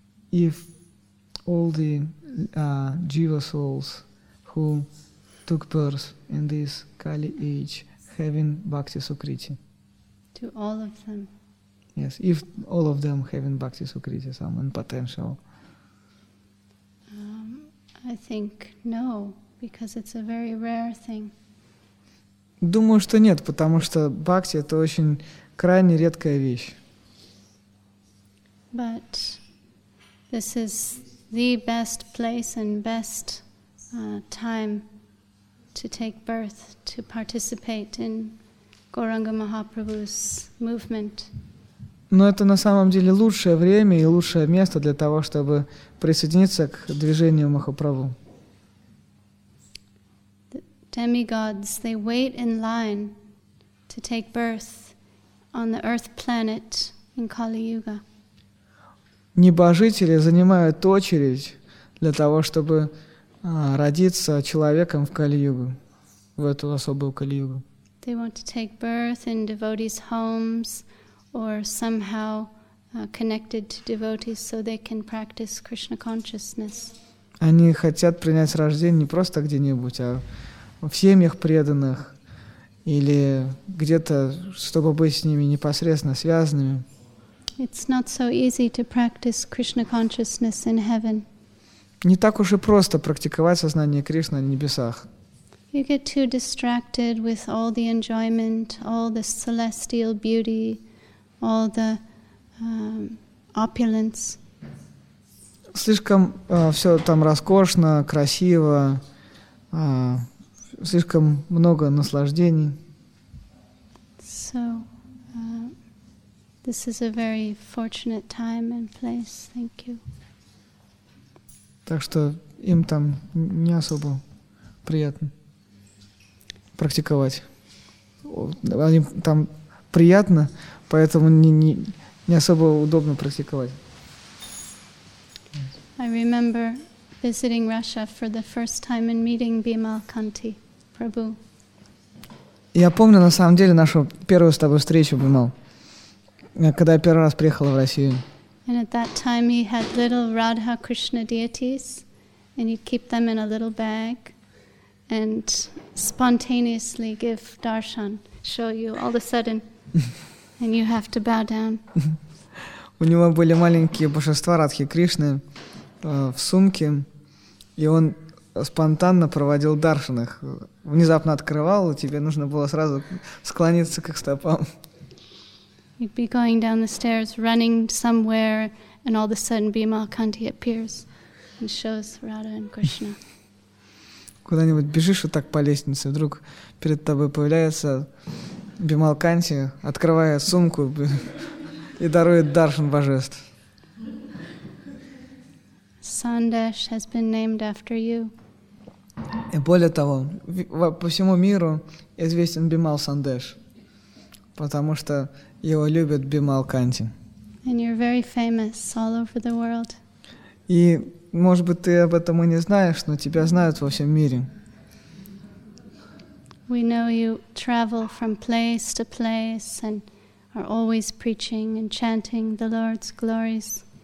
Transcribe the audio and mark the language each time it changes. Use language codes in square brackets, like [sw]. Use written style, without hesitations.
[en] If all the jiva souls who took birth in this Kali age having Bhakti Sukriti. To all of them. Yes, if all of them having Bhakti Sukriti, some potential. I think no, because it's a very rare thing. [ru] Думаю, что нет, потому что Бхакти — это очень крайне редкая вещь. [en] But this is the best place and best time to take birth, to participate in Gauranga Mahaprabhu's movement. [ru] Но это на самом деле лучшее время и лучшее место для того, чтобы присоединиться к движению Махапрабху. [en] The demigods, they wait in line to take birth on the earth planet in Kali-Yuga. [ru] Небожители занимают очередь для того, чтобы родиться человеком в Кали-Югу, в эту особую Кали-Югу. [en] They want to take birth in devotees' homes or somehow connected to devotees so they can practice Krishna consciousness. [ru] Они хотят принять рождение не просто где-нибудь, а в семьях преданных или где-то, чтобы быть с ними непосредственно связанными. [en] It's not so easy to practice Krishna consciousness in heaven. [ru] Не так уж и просто практиковать сознание Кришны на небесах. [en] You get too distracted with all the enjoyment, all the celestial beauty, all the opulence. [ru] Слишком все там роскошно, красиво, слишком много наслаждений. [en] So, this is a very fortunate time and place. Thank you. [ru] Так что им там не особо приятно практиковать. Им там приятно, поэтому не особо удобно практиковать. [en] I remember visiting Russia for the first time and meeting Bimal Kanti Prabhu. [ru] Я помню на самом деле нашу первую с тобой встречу, Бимал, когда я первый раз приехала в Россию. [en] And at that time he had little Radha Krishna deities, and he'd keep them in a little bag, and spontaneously give darshan, show you all of a sudden, and you have to bow down. [ru] У него были маленькие божества Радхи Кришны в сумке, и он спонтанно проводил даршан их, внезапно открывал, и тебе нужно было сразу склониться к их стопам. [en] You'd be going down the stairs, running somewhere, and all of a sudden Bimal Kanti appears and shows Radha and Krishna. [ru] Куда-нибудь бежишь вот так по лестнице, вдруг перед тобой появляется Бимал Канти, открывает сумку и дарует даршан божеств. [en] Сандеш has been named after you. [ru] И более того, по всему миру известен Бимал Сандеш, потому что его любят Бимал Канти. [en] And you're very famous all over the world. [ru] И, может быть, ты об этом и не знаешь, но тебя знают во всем мире. [en] We know you travel from place to place and are always preaching and chanting the Lord's glories.